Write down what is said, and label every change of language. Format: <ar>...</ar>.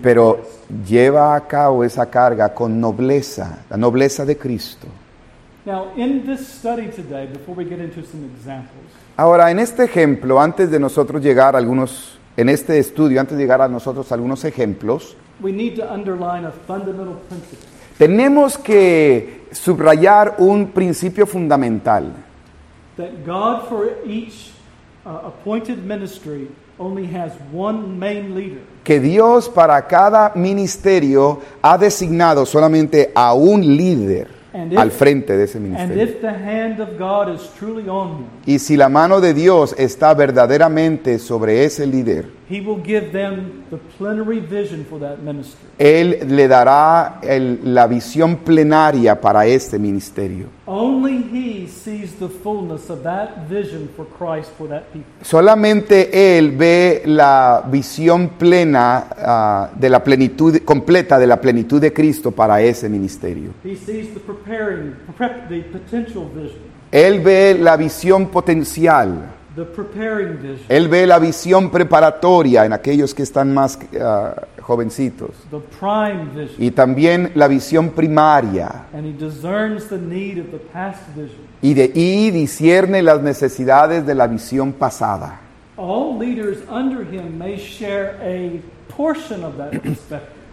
<es>Pero lleva a cabo esa carga con nobleza, la nobleza de Cristo.</es> <en>Now, in this study today, before we get into some examples.</en> <es>Ahora, en este ejemplo, antes de nosotros llegar a algunos, en este estudio, antes de llegar a nosotros a algunos ejemplos,</es> <en>we need to underline a fundamental principle.</en> <es>Tenemos que subrayar un principio fundamental.</es> <en>That God for each appointed ministry only has one main leader.</en> <es>Que Dios para cada ministerio ha designado solamente a un líder.</es> <en>If,</en> <es>al frente de ese ministerio.</es> <en>And if the hand of God is truly on him,</en> <es>y si la mano de Dios está verdaderamente sobre ese líder,</es> <en>he will give them the plenary vision for that ministry.</en> <es>Él le dará la visión plenaria para este ministerio.</es> <en>Only he sees the fullness of that vision for Christ for that people.</en> <es>Solamente él ve la visión plena de la plenitud completa de la plenitud de Cristo para ese ministerio.</es> <en>He sees the preparing, the potential vision.</en> <es>Él ve la visión potencial.</es> <en>the preparing vision.</en> <es>Él ve la visión preparatoria en aquellos que están más jovencitos.</es> <en>The prime vision.</en> <es>Y también la visión primaria.</es> <en>And he discerns the need of the past vision.</en> <es>Y discierne las necesidades de la visión pasada.</es> <en>All leaders under him may share a portion of that perspective.</en>